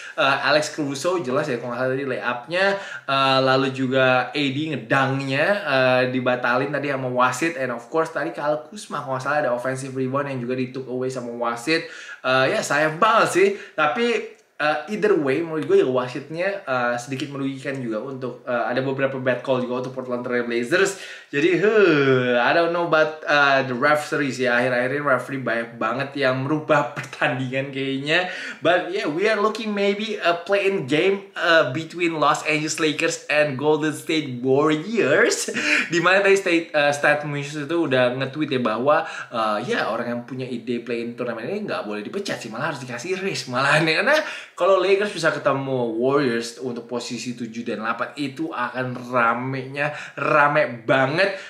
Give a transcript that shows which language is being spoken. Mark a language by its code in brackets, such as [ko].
[id] Alex Caruso jelas ya kalau nggak salah tadi layupnya, lalu juga AD ngedangnya dibatalin tadi sama wasit. [en] And of course [id] tadi Kyle Kuzma kalau nggak salah ada offensive rebound yang juga di [en] took away [id] sama wasit. Ya sayang banget sih, tapi [en] Either way, [id] menurut gue ya wasitnya sedikit merugikan juga untuk ada beberapa bad call juga untuk Portland Trail Blazers. Jadi, [en] I don't know about the referees ya. [id] Akhir-akhir ini referee banyak banget yang merubah pertandingan kayaknya. [en] But yeah, we are looking maybe a play-in game between Los Angeles Lakers and Golden State Warriors. [id] Dimana tadi Stat Munoz itu udah nge-tweet ya bahwa orang yang punya ide play-in turnamen ini nggak boleh dipecat sih. Malah harus dikasih race. Malah aneh, karena kalau Lakers bisa ketemu Warriors untuk posisi 7 dan 8 itu akan rame banget.